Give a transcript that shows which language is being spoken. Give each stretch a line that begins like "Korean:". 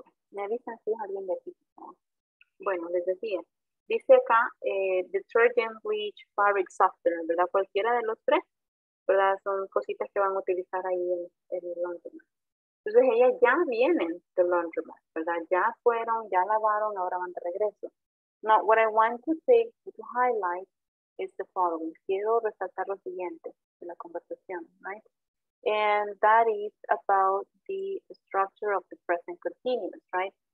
Spanish: Me avisan si es alguien de aquí. Bueno, les decía. Dice acá, detergent, bleach, fabric softener, ¿verdad? Cualquiera de los tres, ¿verdad? Son cositas que van a utilizar ahí en el laundromat. Entonces, ellas ya vienen del laundromat, ¿verdad? Ya fueron, ya lavaron, ahora van de regreso.
English: Now, what I want to say, to highlight, is the following.
Spanish: Quiero resaltar lo siguiente de la conversación, right?
English: And that is about the structure of the present continuous, right?